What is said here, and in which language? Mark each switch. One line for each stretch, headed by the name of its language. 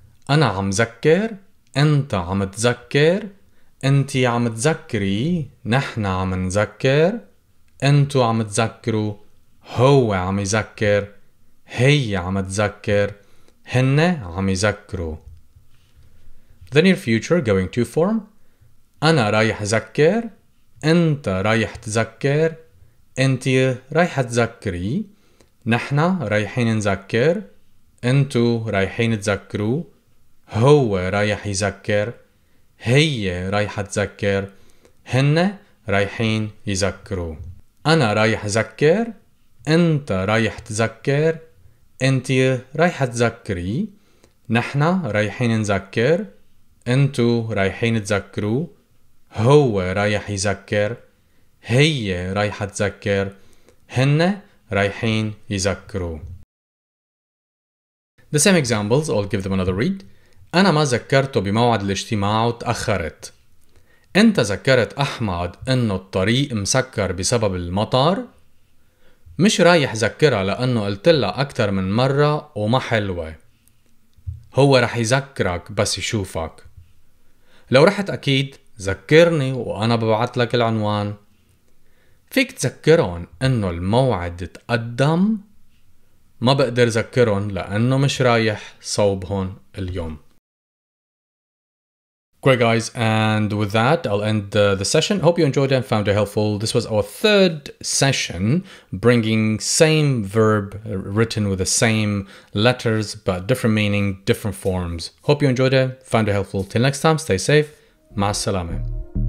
Arabic: أنا عم ذكر، أنت عم تذكر، أنتي عم تذكري، نحن عم نذكر، أنتو عم تذكروا، هو عم يذكر، هي عم تذكر، هن عم يذكروا.
English: The near future going to form.
Arabic: أنا رايح أذكر، أنت رايح تذكر، أنت رايح تذكري، نحن رايحين نذكر، أنتو رايحين تذكروا، هو رايح يذكر، هي رايح تذكر، هن رايحين يذكروا. أنا رايح أذكر، أنت رايح تذكر، أنت رايح تذكري، نحن رايحين نذكر، أنتو رايحين تذكروا، هو رايح يذكر، هي رايح تذكر، هن رايحين يذكروا.
English: The same examples, I'll give them another read.
Arabic: أنا ما ذكرته بموعد الاجتماع وتأخرت. أنت ذكرت أحمد إنه الطريق مسكر بسبب المطر. مش رايح ذكرها لأنه قلت لها أكثر من مرة وما حلوة. هو رح يذكرك بس يشوفك. لو رحت أكيد ذكرني وأنا ببعث لك العنوان. فيك تذكرهم أنه الموعد تقدم. ما بقدر ذكرهم لأنه مش رايح صوبهم اليوم.
English: Great guys, and with that, I'll end the session. Hope you enjoyed it and found it helpful. This was our third session, bringing same verb written with the same letters, but different meaning, different forms. Hope you enjoyed it, found it helpful. Till next time, stay safe. Ma'a salama.